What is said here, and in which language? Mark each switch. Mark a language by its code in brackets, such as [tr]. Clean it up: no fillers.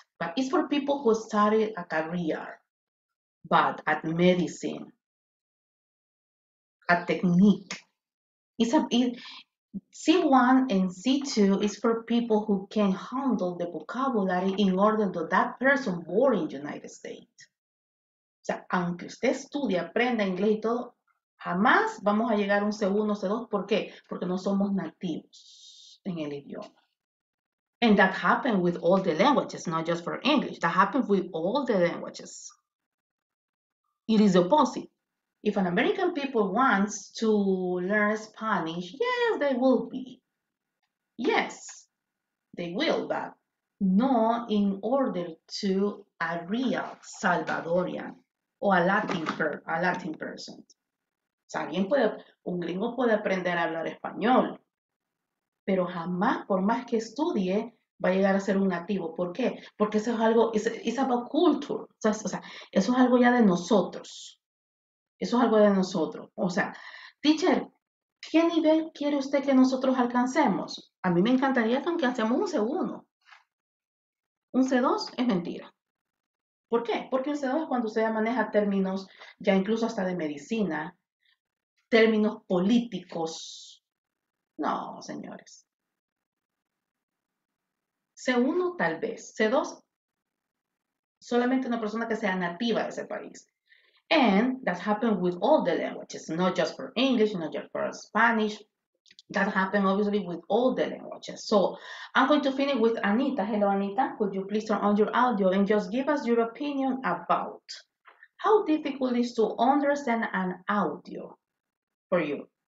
[en] But it's for people who started a career, but at medicine, a technique. It's a, it, C1 and C2 is for people who can handle the vocabulary in order to that person born in the United States. [es] O sea, aunque usted estudie, aprenda inglés y todo, jamás vamos a llegar a un C1, C2. ¿Por qué? Porque no somos nativos en el idioma. [en] And that happened with all the languages, not just for English. That happened with all the languages. It is the opposite. If an American people wants to learn Spanish, yes, they will be. Yes, they will, but not in order to a real Salvadorian or a Latin person. [es] O sea, alguien puede, un gringo puede aprender a hablar español, pero jamás, por más que estudie, va a llegar a ser un nativo. ¿Por qué? Porque eso es algo, [en] it's about culture. [es] O sea, eso es algo ya de nosotros. Eso es algo de nosotros. O sea, teacher, ¿qué nivel quiere usted que nosotros alcancemos? A mí me encantaría que alcancemos un C1. Un C2 es mentira. ¿Por qué? Porque un C2 es cuando usted ya maneja términos, ya incluso hasta de medicina, términos políticos, No, señores. C1 tal vez. C2, solamente una persona que sea nativa de ese país. [en] And that happened with all the languages, not just for English, not just for Spanish. That happened obviously with all the languages. So I'm going to finish with Anita. Hello, Anita. Could you please turn on your audio and just give us your opinion about how difficult it is to understand an audio for you?